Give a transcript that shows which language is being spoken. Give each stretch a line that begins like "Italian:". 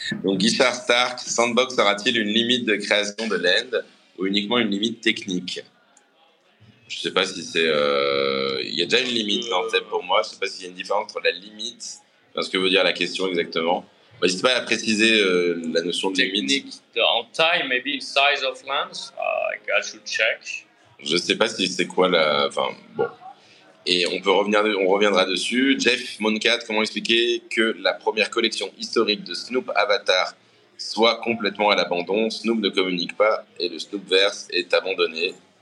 French: Donc, Guichard Stark, Sandbox aura-t-il une limite de création de l'end ou uniquement une limite technique? Je ne sais pas si c'est. Il y a déjà une limite en fait pour moi. Je ne sais pas s'il y a une différence entre la limite, enfin, ce que veut dire la question exactement. N'hésite pas à préciser la notion de technique, limite. En taille,
English: maybe in size of lands, I should check.
French: Je ne sais pas si c'est quoi la. Enfin, bon. Et on reviendra dessus. Jeff Moncat, comment expliquer que la première collection historique de Snoop Avatar soit complètement à l'abandon? Snoop ne communique pas et le Snoopverse est abandonné.